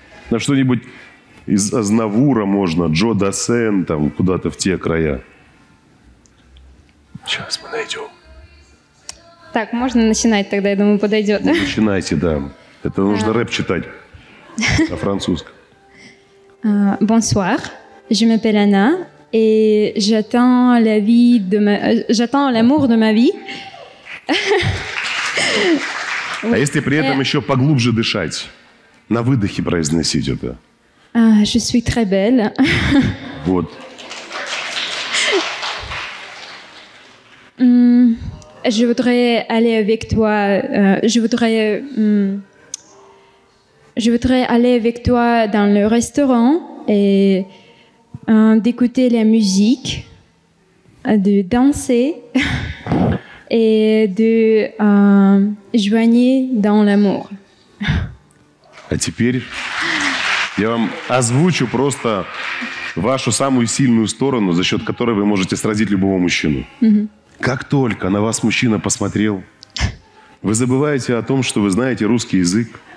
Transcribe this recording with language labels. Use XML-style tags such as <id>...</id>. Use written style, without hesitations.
<ru>На что-нибудь из Азнавура можно. Джо Дассен, там, куда-то в те края. Сейчас мы найдем. Так, можно начинать тогда, я думаю, подойдет. Ну, начинайте, да. Это нужно рэп читать на французском.</ru> <fr>Bonsoir, je m'appelle Anna, et j'attends la vie de ma... j'attends l'amour de ma vie.</fr> <ru>А если при этом еще поглубже дышать, на выдохе произносить это?</ru> <fr>Je suis très belle.</fr> <ru>Вот.</ru> <fr>Je voudrais aller avec toi. Je voudrais aller avec toi dans le restaurant et d'écouter la musique, de danser et de joigner dans l'amour.</fr> <ru>А теперь я вам озвучу просто вашу самую сильную сторону, за счет которой вы можете сразить любого мужчину. Как только на вас мужчина посмотрел, вы забываете о том, что вы знаете русский язык.</ru>